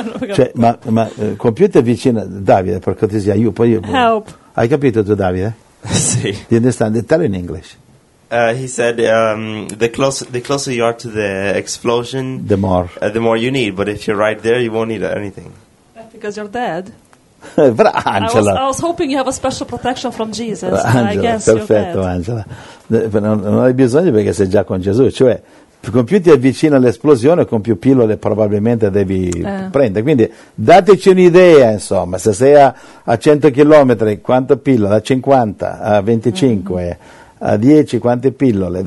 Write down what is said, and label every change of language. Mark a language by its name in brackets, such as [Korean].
[Italian] Cioè, ma computer vicino Davide, per cortesia, io poi [English] help. [Italian] Hai capito tu Davide? Sì. [English] Do you understand? Tell in English. He said the closer you are to the explosion, the more you need, but if you're right there you won't need anything. Because you're dead. Angela. I was hoping you have a special protection from Jesus. Angela, I guess [Italian] perfetto, [English] you're dead. Angela. [Italian] Non hai bisogno perché sei già con Gesù, cioè con più ti avvicina all'esplosione, con più pillole probabilmente devi prendere. Quindi dateci un'idea, insomma, se sei a 100 km, quante pillole? A 50, a 25, a 10, quante pillole?